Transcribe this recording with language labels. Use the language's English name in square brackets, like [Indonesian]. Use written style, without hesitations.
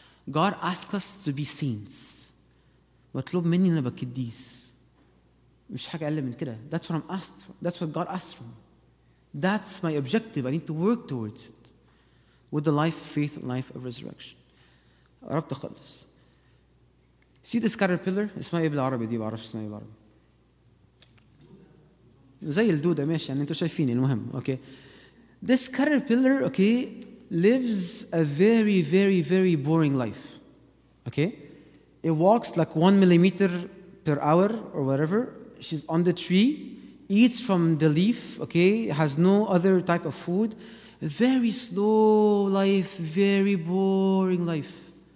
[English] God asks us to be saints. [Arabic] مطلوب مني أنا بكديس. مش حاجة أقل من كده. [English] That's what I'm asked for. That's what God asked for. That's my objective. I need to work towards it. With the life of faith and life of resurrection. [Arabic] رب تخلص. [English] See this caterpillar? [Arabic] اسمها إيه بالعربي دي؟ بعرفش اسمها إيه بالعربي. زي الدودة ماشي يعني انتو شايفين المهم. [English] Okay. This caterpillar, okay, lives a very, very, very boring life. Okay? It walks like 1 millimeter per hour or whatever. She's on the tree, eats from the leaf, okay? Has no other type of food. Very slow life, very boring life.